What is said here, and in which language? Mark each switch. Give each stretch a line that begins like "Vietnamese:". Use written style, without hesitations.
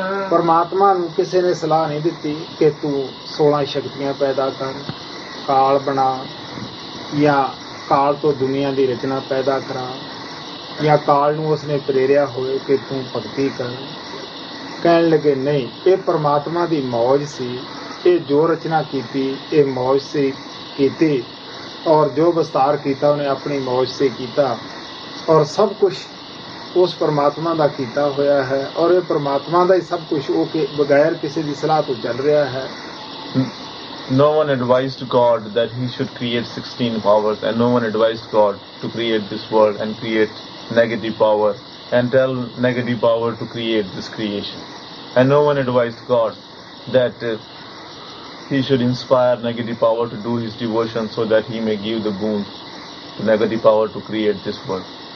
Punjabi: ਪਰਮਾਤਮਾ ਨੂੰ ਕਿਸੇ ਨੇ ਸਲਾਹ ਨਹੀਂ ਦਿੱਤੀ ਕਿ ਤੂੰ 16 ਸ਼ਕਤੀਆਂ ਪੈਦਾ ਕਰ, ਕਾਲ ਬਣਾ, ਜਾਂ ਕਾਲ ਤੋਂ ਦੁਨੀਆਂ ਦੀ ਰਚਨਾ ਪੈਦਾ ਕਰਾਂ, ਜਾਂ ਕਾਲ ਨੂੰ ਉਸਨੇ ਪ੍ਰੇਰਿਆ ਹੋਵੇ ਕਿ ਤੂੰ ਭਗਤੀ ਕਰ। ਕਹਿਣ ਲੱਗੇ, ਨਹੀਂ, ਇਹ ਪਰਮਾਤਮਾ ਦੀ ਮੌਜ ਸੀ, ਇਹ ਜੋ ਰਚਨਾ ਕੀਤੀ ਇਹ ਮੌਜ ਸੀ ਕੀਤੀ,
Hindi: और जो विस्तार किया उन्हें अपनी मौज से किया और सब कुछ उस परमात्मा का किया होया है और ये परमात्मा का ही सब कुछ वो के बगैर किसी की सलाह तो चल रहा है.
English: No one advised God that he should create 16 powers and no one advised God to create this world and create negative power and tell negative power to create this creation. And no one advised God that he should inspire negative power to do his devotion so that he may give the boons to negative power to create this world.